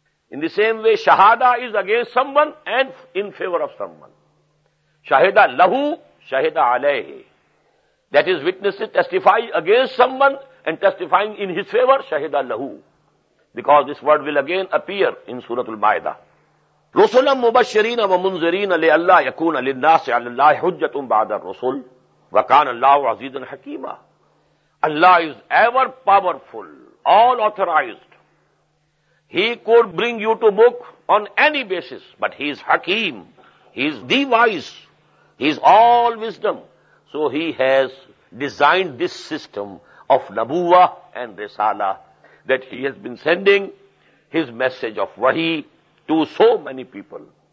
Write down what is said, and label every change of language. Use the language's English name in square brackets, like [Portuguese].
[English] In the same way, shahada is against someone and in favor of someone. Shahida lahu, shahida alayhi. That is witnesses testify against someone and testifying in his favor, shahida lahu. Because this word will again appear in Suratul Maidah. [Arabic] رسلا مبشرين ومنذرين لئلا يكون للناس على الله حجة بعد الرسل وكان الله عزيزا حكيما. [English] Allah is ever powerful, all authorized. He could bring you to book on any basis, but He is Hakim. He is the wise. He is all wisdom. So He has designed this system of Nabuwa and Risala that He has been sending His message of Wahi to so many people.